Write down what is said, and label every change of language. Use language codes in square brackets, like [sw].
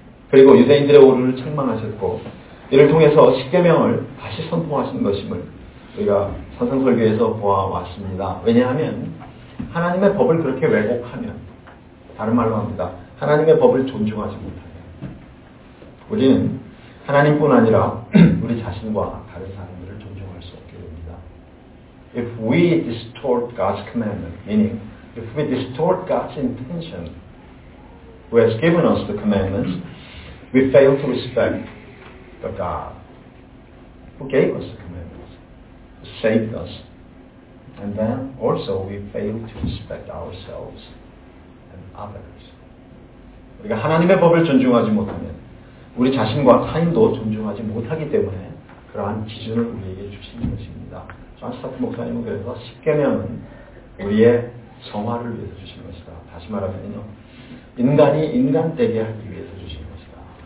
[ko] 그리고 유대인들의 오류를 책망하셨고 이를 통해서 십계명을 다시 선포하신 것임을 우리가 산상설교에서 보아왔습니다. 왜냐하면 하나님의 법을 그렇게 왜곡하면, 다른 말로 합니다, 하나님의 법을 존중하지 못하면 우리는 하나님뿐 아니라 우리 자신과 다른 사람들을 존중할 수 없게 됩니다. [en] If we distort God's commandment, meaning if we distort God's intention who has given us the commandments, we fail to respect the God who gave us the commandments, who saved us. And then also we fail to respect ourselves and others. [ko] 우리가 하나님의 법을 존중하지 못하면 우리 자신과 타인도 존중하지 못하기 때문에 그러한 기준을 우리에게 주시는 것입니다. 존 스타트 목사님은 그래서 십계명은 우리의 성화를 위해서 주신 것이다. 다시 말하면요, 인간이 인간되게 하기 위해서 주신 것이다.